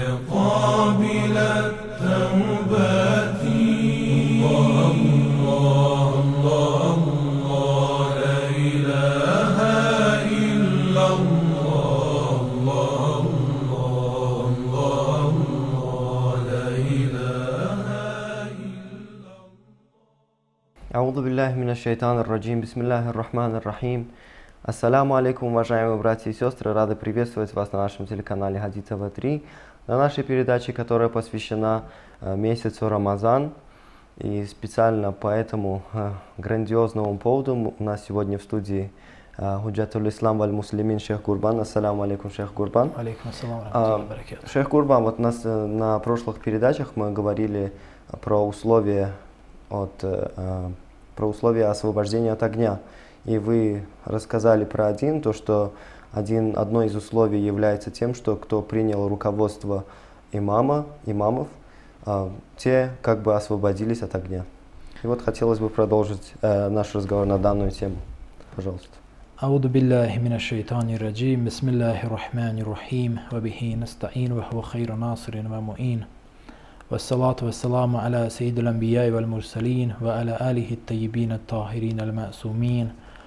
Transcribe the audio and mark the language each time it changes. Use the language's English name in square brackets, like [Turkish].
[Arabic] قابل التوبات الله الله الله الله لا إله إلا الله الله الله الله لا إله إلا الله. أعوذ بالله من الشيطان الرجيم. بسم الله الرحمن الرحيم. [Russian] Ассаляму алейкум, уважаемые братья и сестры, рады приветствовать вас на нашем телеканале Хадитова 3, на нашей передаче, которая посвящена месяцу Рамазан. И специально по этому грандиозному поводу у нас сегодня в студии Худжатул Ислам валь Муслимин шейх Гурбан. Ассаляму алейкум, шейх Гурбан. Алейкум ассалам ва рахматуллахи ва баракатух. Шейх Гурбан, вот нас, на прошлых передачах мы говорили про условия, про условия освобождения от огня. И вы рассказали про один, то, что одно из условий является тем, что кто принял руководство имамов, те как бы освободились от огня. И вот хотелось бы продолжить наш разговор на данную тему. Пожалуйста. [Arabic] أعوذ بالله من الشيطان الرجيم. بسم الله الرحمن الرحيم. وبه نستعين وهو خير ناصر ومعين. والصلاة والسلام على سيد الأنبياء والمرسلين وعلى آله الطيبين الطاهرين المعصومين.